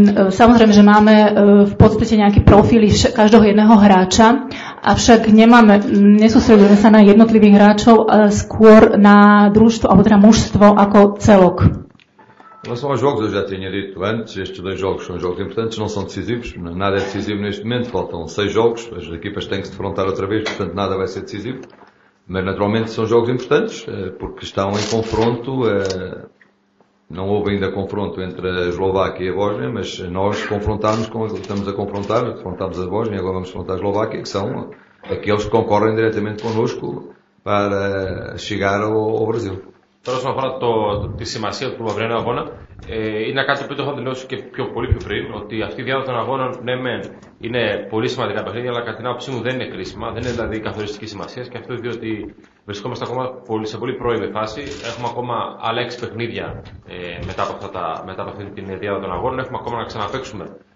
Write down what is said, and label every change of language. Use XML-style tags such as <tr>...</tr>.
<sk>Samozrejme, že máme v podstate nejaký profil každého jedného hráča, avšak nesústredujeme sa na jednotlivých hráčov, skôr na družstvo, alebo teda mužstvo ako celok.</sk> <pt>Em relação aos jogos, eu já tinha dito antes, estes dois jogos são jogos importantes, não são decisivos, nada é decisivo neste momento, faltam seis jogos, as equipas têm que se defrontar outra vez, portanto nada vai ser decisivo, mas naturalmente são jogos importantes, porque estão em confronto, não houve ainda confronto entre a Eslováquia e a Bósnia, mas nós confrontámos com aquilo que estamos a confrontar, confrontámos a Bósnia e agora vamos confrontar a Eslováquia, que são aqueles que concorrem diretamente connosco para chegar ao Brasil.</pt> <el>Τώρα όσον αφορά τη σημασία του μαυρινού αγώνα, είναι κάτι που το έχω δηλώσει και πολύ πιο πριν, ότι αυτή η διάρκεια των αγώνων, ναι μεν, είναι πολύ σημαντικά παιχνίδια, αλλά κατά την άποψή μου δεν είναι κρίσιμα, δεν είναι δηλαδή καθοριστική σημασία και αυτό διότι βρισκόμαστε ακόμα σε πολύ πρώιμη φάση, έχουμε ακόμα άλλα 6 παιχνίδια μετά από αυτή τη διάρκεια των αγώνων, έχουμε ακόμα να ξαναπαίξουμε</el>